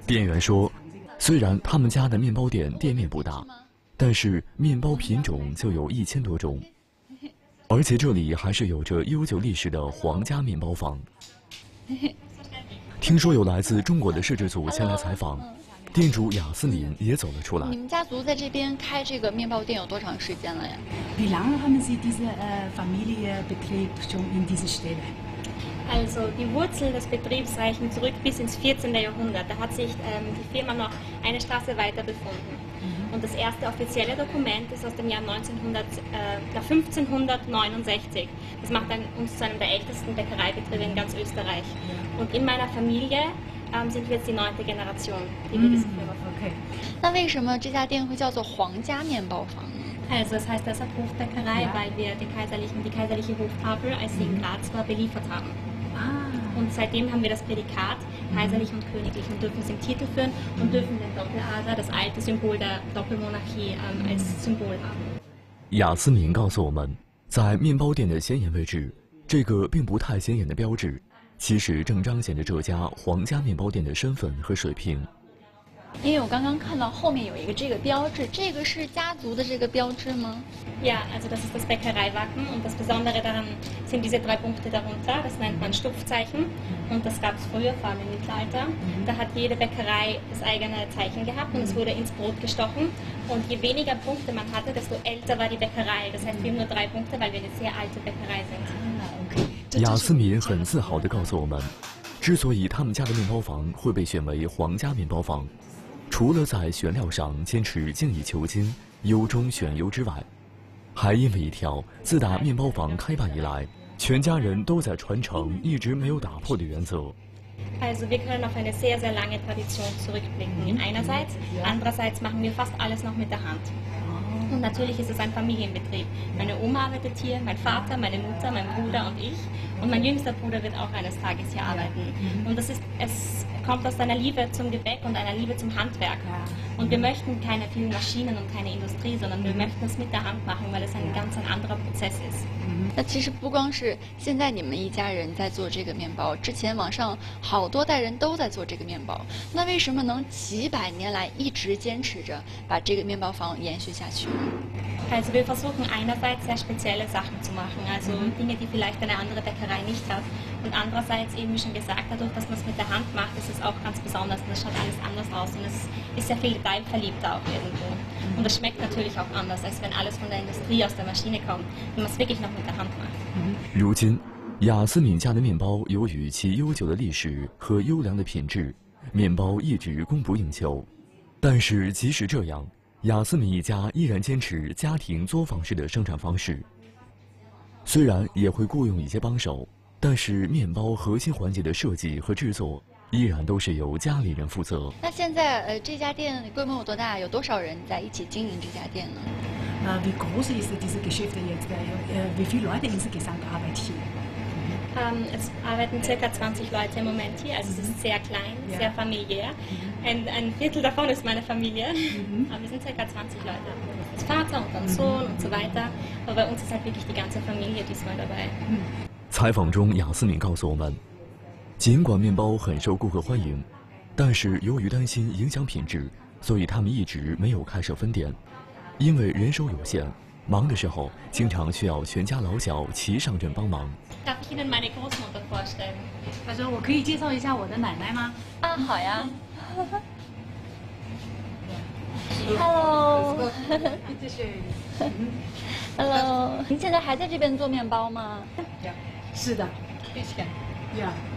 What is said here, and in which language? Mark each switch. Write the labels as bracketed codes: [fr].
[zh] 店员说，虽然他们家的面包店店面不大，但是面包品种就有1000多种，而且这里还是有着悠久历史的皇家面包坊。听说有来自中国的摄制组前来采访，店主雅斯林也走了出来。你们家族在这边开这个面包店有多长时间了呀？ [de] Wie lange haben Sie diese Familienbetrieb schon in dieser Stelle? Also die Wurzeln des Betriebs reichen zurück bis ins 14. Jahrhundert. Da hat sich die Firma noch eine Straße weiter befunden. Und das erste offizielle Dokument ist aus dem Jahr 1569. Das macht uns zu einem der ältesten Bäckereibetriebe in ganz Österreich. Und in meiner Familie. Sind wir jetzt die neunte Generation, die wir diese Firma verkaufen. [zh] 那为什么这家店会叫做皇家面包房？ [de] Also es heißt deshalb Hofbäckerei, weil wir die kaiserliche Hoftafel, als sie in Graz war, beliefert haben. Ah. Und seitdem haben wir das Prädikat kaiserlich und königlich und dürfen es im Titel führen und dürfen den Doppeladler, das alte Symbol der Doppelmonarchie, als Symbol haben. [zh] 雅思宁告诉我们，在面包店的显眼位置，这个并不太显眼的标志。其实正彰显着这家皇家面包店的身份和水平。因为我刚刚看到后面有一个这个标志，这个是家族的这个标志吗？ [de] Ja, also das ist das Bäckereiwappen und das Besondere daran sind diese drei Punkte darunter. Das nennt man Stupfzeichen und das gab es früher, vor allem im Mittelalter. Da hat jede Bäckerei das eigene Zeichen gehabt und es wurde ins Brot gestochen. Und je weniger Punkte man hatte, desto älter war die Bäckerei. Das heißt, wir haben nur drei Punkte, weil wir eine sehr alte Bäckerei sind. Okay. [zh] 雅思敏很自豪地告诉我们，之所以他们家的面包房会被选为皇家面包房，除了在选料上坚持精益求精、优中选优之外，还因为一条自打面包房开办以来，全家人都在传承、一直没有打破的原则。 [de] Also wir können auf eine sehr, sehr lange Tradition zurückblicken. Einerseits, andererseits machen wir fast alles noch mit der Hand. Und natürlich ist es ein Familienbetrieb. Meine Oma arbeitet hier, mein Vater, meine Mutter, mein Bruder und ich. Und mein jüngster Bruder wird auch eines Tages hier arbeiten. Und es kommt aus einer Liebe zum Gebäck und einer Liebe zum Handwerk. Und wir möchten keine vielen Maschinen und keine Industrie, sondern wir möchten es mit der Hand machen, weil es ein ganz anderer Prozess ist. [zh] 那其实不光是现在你们一家人在做这个面包，之前网上好多代人都在做这个面包，那为什么能几百年来一直坚持着把这个面包房延续下去？ [de] Also wir versuchen einerseits sehr spezielle Sachen zu machen, also Dinge, die vielleicht eine andere Bäckerei nicht hat, und andererseits eben wie schon gesagt, dadurch, dass man es mit der Hand macht, ist es auch ganz besonders, und es schaut alles anders aus und es ist sehr viel detailverliebter auch irgendwo. Und es schmeckt natürlich auch anders, als wenn alles von der Industrie aus der Maschine kommt, wenn man es wirklich noch mit der Hand macht. [zh] 如今，雅思敏家的面包由于其悠久的历史和优良的品质，面包一直供不应求。但是即使这样，雅思敏一家依然坚持家庭作坊式的生产方式。虽然也会雇佣一些帮手，但是面包核心环节的设计和制作。依然都是由家里人负责。那现在这家店规模有多大？有多少人在一起经营这家店呢？ [de] Wie groß ist diese Geschäft jetzt? Wie viele Leute insgesamt arbeiten hier? Es arbeiten circa 20 Leute im Moment hier. Also es ist sehr klein, sehr familiär. Ein Viertel davon ist meine Familie. Aber wir sind circa 20 Leute. Das Vater und dann Sohn und so weiter. Aber bei uns ist halt wirklich die ganze Familie diesmal dabei. [zh] 采访中，雅思敏告诉我们。尽管面包很受顾客欢迎，但是由于担心影响品质，所以他们一直没有开设分店。因为人手有限，忙的时候经常需要全家老小齐上阵帮忙。 [de] Darf ich Ihnen meine Großmutter vorstellen? [zh] 他说：“我可以介绍一下我的奶奶吗？” 啊，好呀。 [en] Hello。 [zh] 这是。 [en] Hello。 [zh] 您现在还在这边做面包吗？ [en] Yeah. [zh] 是的。 [en] Yeah.